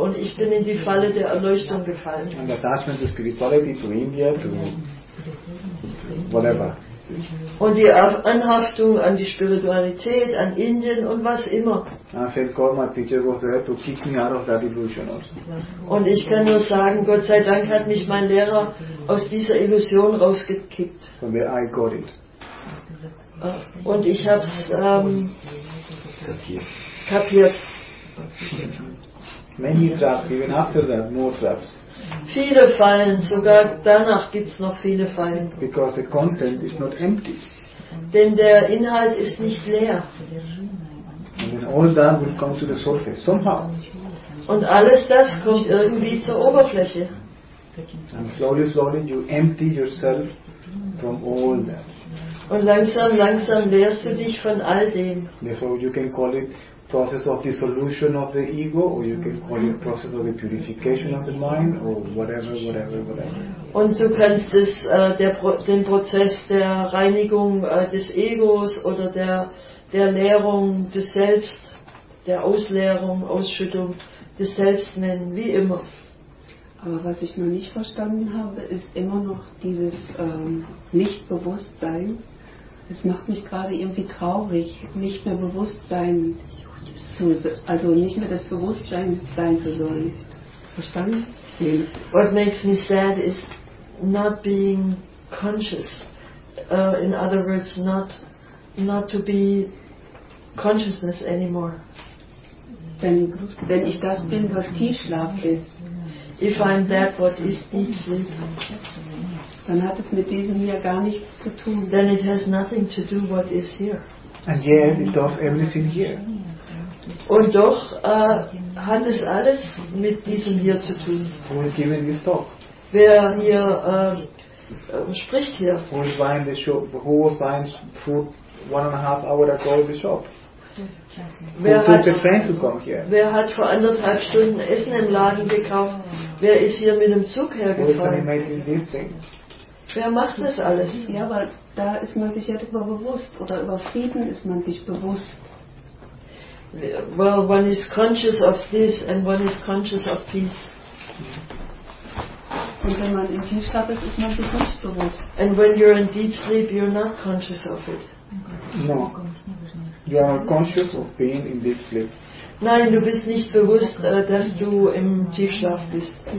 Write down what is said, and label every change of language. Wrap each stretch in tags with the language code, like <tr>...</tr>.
<de>Und ich bin in die Falle der Erleuchtung gefallen.</de> <en>And attachment to spirituality, to India, to whatever.</en> <de>Und die Anhaftung an die Spiritualität, an Indien und was immer. Und ich kann nur sagen, Gott sei Dank hat mich mein Lehrer aus dieser Illusion rausgekickt.</de> <en>From where I got it.</en> <de>Und ich habe es kapiert.</de> <en>Many traps, even after that, more traps.</en> <de>Viele Fallen, sogar danach gibt es noch viele Fallen.</de> <en>Because the content is not empty.</en> <de>Denn der Inhalt ist nicht leer.</de> <en>And then all that will come to the surface, somehow.</en> <de>Und alles das kommt irgendwie zur Oberfläche.</de> <en>And slowly, slowly you empty yourself from all that.</en> <de>Und langsam, langsam leerst du dich von all dem.</de> <en>Yeah, so you can call it process of dissolution of the ego, or you can call it process of the purification of the mind, or whatever, whatever, whatever.</en> <de>Und du kannst es den Prozess der Reinigung des Egos oder der Leerung des Selbst, der Ausleerung, Ausschüttung des Selbst nennen, wie immer. Aber was ich noch nicht verstanden habe, ist immer noch dieses Nichtbewusstsein. Es macht mich gerade irgendwie traurig, nicht mehr Bewusstsein zu, also nicht mehr das Bewusstsein sein zu sollen. Verstanden?</de> <en>Yeah. What makes me sad is not being conscious. In other words, not to be consciousness anymore.</en> <de>Wenn ich das bin, was Tiefschlaf ist.</de> <en>If I'm that, what is deep sleep?</en> <de>Dann hat es mit diesem hier gar nichts zu tun.</de> <en>Then it has nothing to do what is here. And yet it does everything here.</en> <de>Und doch hat es alles mit diesem hier zu tun.</de> <en>Who is giving this talk?</en> <de>Wer hier spricht hier?</de> <en>Who is buying the shop? Who was buying food 1.5 hours ago at the shop?</en> <de>Wer hat vor 1.5 Stunden Essen im Laden gekauft? Wer ist hier mit dem Zug hergefahren? Wer macht das alles? Ja, aber da ist man sich ja darüber bewusst. Oder über Frieden ist man sich bewusst.</de> <en>Well, one is conscious of this and one is conscious of peace.</en> <de>Und wenn man im Tiefschlaf ist, ist man sich nicht bewusst.</de> <en>And when you're in deep sleep, you're not conscious of it. No. You are conscious of being in deep sleep.</en> <de>Nein, du bist nicht bewusst, dass du im Tiefschlaf bist.</de>